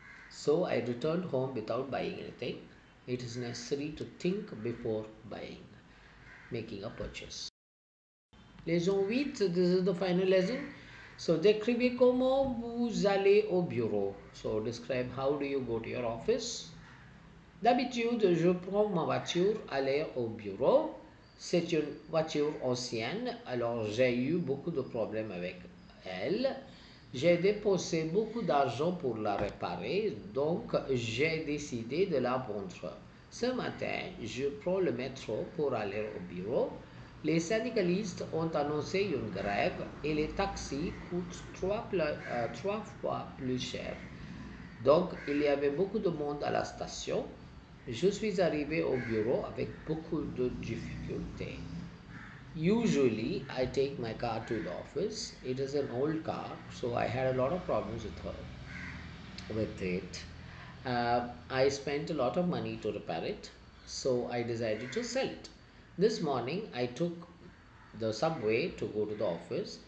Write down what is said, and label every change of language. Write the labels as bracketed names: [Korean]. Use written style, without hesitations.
[English] So I returned home without buying anything. It is necessary to think before buying, making a purchase. [French] Leçon 8, [English] this is the final lesson. So, [French] décrivez comment vous allez au bureau. [English] So, describe how do you go to your office. [French] D'habitude, je prends ma voiture à aller au bureau. C'est une voiture ancienne, alors j'ai eu beaucoup de problèmes avec elle. J'ai dépensé beaucoup d'argent pour la réparer, donc j'ai décidé de la vendre. Ce matin, je prends le métro pour aller au bureau. Les syndicalistes ont annoncé une grève et les taxis coûtent trois fois plus cher. Donc, il y avait beaucoup de monde à la station. Je suis arrivé au bureau avec beaucoup de difficultés. [English] Usually, I take my car to the office. It is an old car, so I had a lot of problems with her. I spent a lot of money to repair it, so I decided to sell it. This morning, I took the subway to go to the office.